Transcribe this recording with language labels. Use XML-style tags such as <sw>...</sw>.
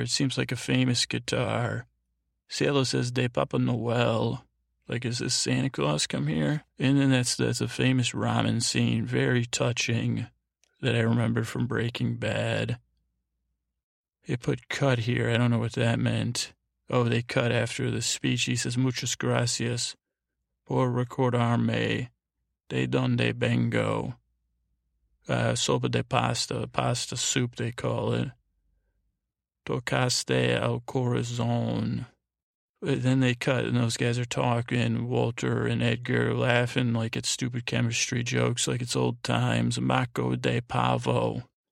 <en>It seems like a famous guitar. Cielo says,</en> <es>De Papa Noel.</es> <en>Like, is this Santa Claus come here? And then that's a famous ramen scene, very touching, that I remember from Breaking Bad. They put cut here. I don't know what that meant. Oh, they cut after the speech. He says,</en> <es>Muchas gracias por recordarme de donde vengo. Sopa de pasta,</es> <en>pasta soup, they call it.</en> <es>Tocaste al corazón.</es> <en>Then they cut, and those guys are talking, Walter and Edgar laughing like it's stupid chemistry jokes, like it's old times, Marco de Pavo.</en>